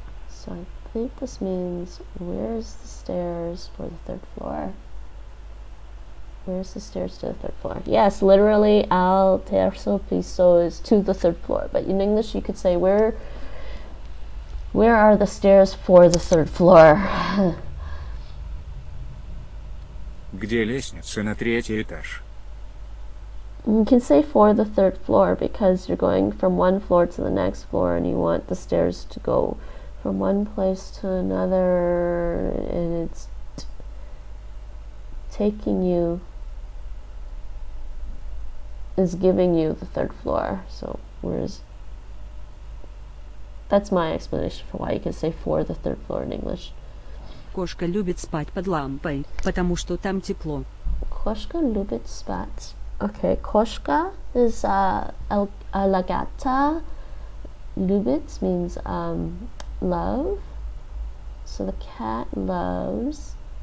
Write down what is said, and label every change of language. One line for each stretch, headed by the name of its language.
English: So I think this means where's the stairs for the third floor? Where's the stairs to the third floor? Yes, literally
Spanish: al tercer piso
English: is to the third floor. But in English, you could say where are the stairs for the third floor?
Russian: Где лестница на третий этаж?
English: You can say for the third floor because you're going from one floor to the next floor and you want the stairs to go from one place to another and it's taking you, is giving you the third floor. So whereas that's my explanation for why you can say for the third floor in English.
Russian: Кошка любит спать под лампой, потому что там тепло. Кошка любит спать.
English: Okay, кошка is la gata. Любит means love. So the cat loves.